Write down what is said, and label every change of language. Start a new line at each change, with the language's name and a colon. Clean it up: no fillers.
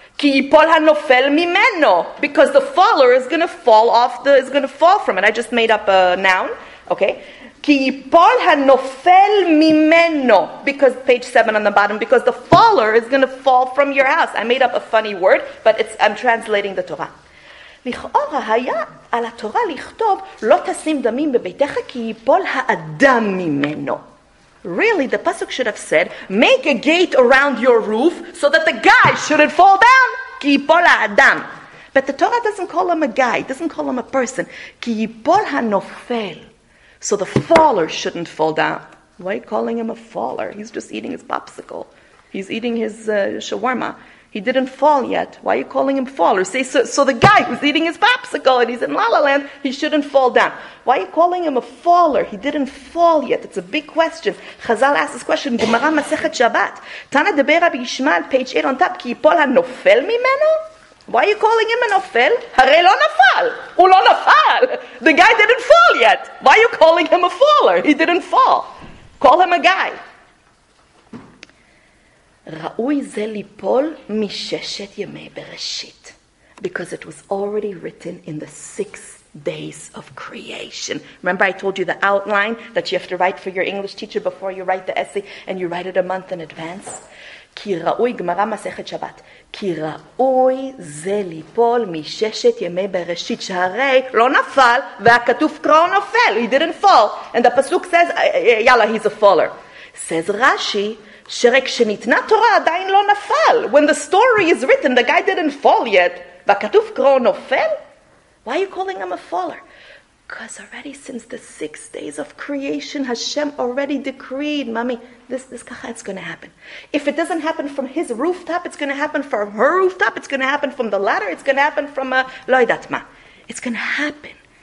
Hebrew: כי יפול הנופל ממנו,
English: because the faller is going to fall off the is going to fall from it. I just made up a noun, okay?
Hebrew: כי יפול הנופל ממנו,
English: because page 7 on the bottom, because the faller is going to fall from your house. I made up a funny word, but it's I'm translating the Torah.
Hebrew: לכאורה היה על התורה לכתוב לא תשים דמים בביתך כי יפול האדם ממנו.
English: Really, the pasuk should have said, make a gate around your roof so that the guy shouldn't fall down.
Hebrew: Ki yipol ha'adam.
English: But the Torah doesn't call him a guy. It doesn't call him a person.
Hebrew: Ki yipol ha'nofel.
English: So the faller shouldn't fall down. Why are you calling him a faller? He's just eating his popsicle. He's eating his shawarma. He didn't fall yet. Why are you calling him faller? Say, so the guy who's eating his popsicle and he's in La La Land, he shouldn't fall down. Why are you calling him a faller? He didn't fall yet. It's a big question. Chazal asked this question, Gemara Masechet Shabbat.
Hebrew: Tana Deber Rabbi Yishmael,
English: page 8 on top,
Hebrew: Ki yipol ha'nofel mimeno?
English: Why are you calling him a nofel?
Hebrew: Hare lo nafal. U lo nafal.
English: The guy didn't fall yet. Why are you calling him a faller? He didn't fall. Call him a guy.
Hebrew: ראוי זה ליפול מששת ימי בראשית.
English: Because it was already written in the 6 days of creation. Remember I told you the outline that you have to write for your English teacher before you write the essay and you write it a month in advance?
Hebrew: כי ראוי, גמרא מסכת שבת, כי ראוי זה ליפול מששת ימי בראשית, שהרי לא נפל והכתוב קרא נופל.
English: He didn't fall. And the pasuk says, יאללה, he's a faller.
Hebrew: Says Rashi, שרק שניתנה תורה עדיין לא נפל.
English: When the story is written, the guy didn't fall yet.
Hebrew: והכתוב קרא נופל?
English: Why are you calling him a faller? Because already since the 6 days of creation, Hashem already decreed, mommy, this ככה, it's going to happen. If it doesn't happen from his rooftop, it's going to happen from her rooftop, it's going to happen from the ladder, it's going to happen from
Hebrew: לא יודעת מה.
English: It's going to happen.